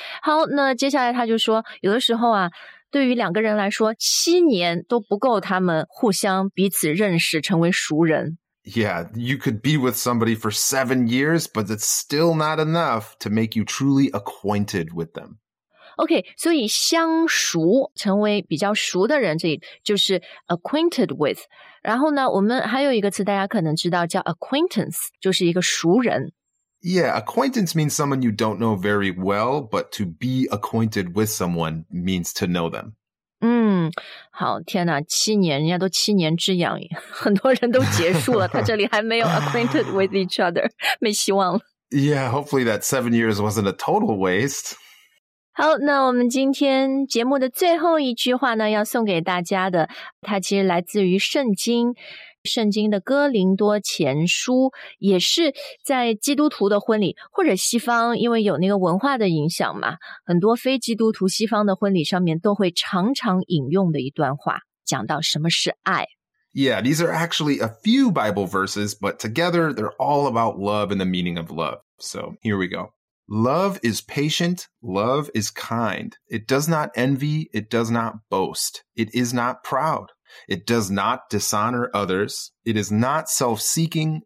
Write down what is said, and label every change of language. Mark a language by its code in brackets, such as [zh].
[zh] 好，那接下来他就说有的时候啊对于两个人来说七年都不够他们互相彼此认识成为熟人。 [en] Yeah, you could be with somebody for 7 years, but it's still not enough to make you truly acquainted with them. [zh] Okay, 所以相熟成为比较熟的人这就是 [en] acquainted with。 [zh] 然后呢我们还有一个词大家可能知道叫 acquaintance, 就是一个熟人。 [en] Yeah, acquaintance means someone you don't know very well, but to be acquainted with someone means to know them. [zh] 嗯，好，天哪，七年，人家都七年之痒，很多人都结束了，他这里还没有 [en] acquainted with each other, [zh] 没希望了。 [en] Yeah, hopefully that 7 years wasn't a total waste. [zh] 好，那我们今天节目的最后一句话呢，要送给大家的，它其实来自于圣经。圣经的哥林多前书也是在基督徒的婚礼或者西方因为有那个文化的影响嘛很多非基督徒西方的婚礼上面都会常常引用的一段话讲到什么是爱 [en] Yeah, these are actually a few Bible verses but together they're all about love and the meaning of love. So here we go. Love is patient, love is kind. It does not envy, it does not boast, it is not proud. It does not dishonor others. It is not self-seeking.